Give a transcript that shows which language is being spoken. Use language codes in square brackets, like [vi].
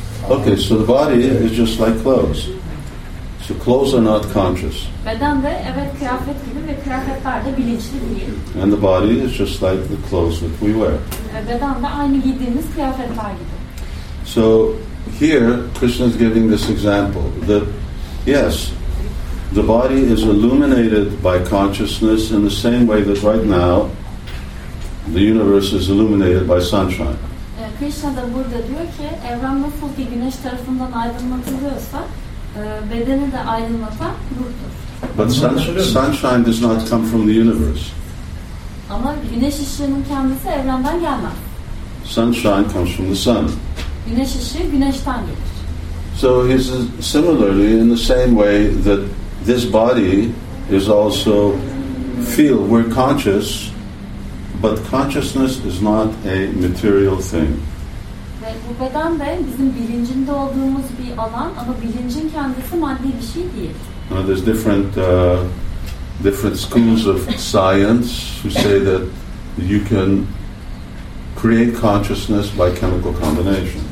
[en] Okay, so the body is just like clothes. So clothes are not conscious. [tr] Beden de evet kıyafet gibi ve kıyafetler de bilinçli değil. [en] And the body is just like the clothes that we wear. [tr] Beden de aynı giydiğimiz kıyafetler gibi. [en] So here Krishna is giving this example that yes, the body is illuminated by consciousness in the same way that right now the universe is illuminated by sunshine. [tr] Krishna da burada diyor ki evren nasıl ki güneş tarafından aydınlatılıyorsa bedeni de aydınlatan nurdur. [en] But sunshine does not come from the universe. [tr] Ama güneş ışığının kendisi evrenden gelmez. [en] Sunshine comes from the sun. [tr] Güneş ışığı güneşten gelir. [en] So he's similarly in the same way that this body is also feel, we're conscious, but consciousness is not a material thing. [tr] Ve bu beden de bizim bilincinde olduğumuz bir alan ama bilincin kendisi maddi bir şey değil. [en] Now there's different schools of science who say that you can create consciousness by chemical combination.